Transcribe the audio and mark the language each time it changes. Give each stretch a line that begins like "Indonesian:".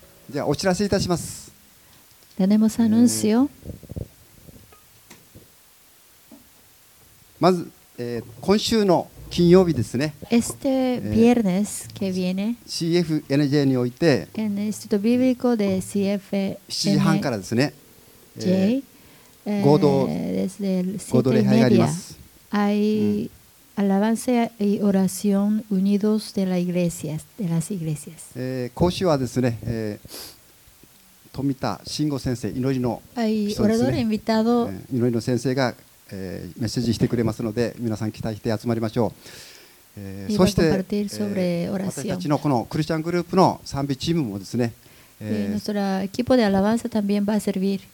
Japanese: じゃあお知らせいたします。
Spanish: Tenemos anuncio。
Japanese: まず、今週の金曜日ですね。
Spanish: Este viernes que viene
Japanese: CFNJ において
Spanish: En el Instituto Bíblico de CFNJ
Japanese: 7時半からですね、合同礼拝があります。
Spanish: Hay alabanza y oración unidos de la iglesia, de las iglesias.
Japanese: 講師はですね、富田慎吾先生、祈りの人ですね。祈りの先生が、メッセージしてくれますので、皆さん期待して集まりましょう。そして、私たちのこのクリスチャングループの賛美チームもですね、
Spanish: nuestro equipo de alabanza también va a servir.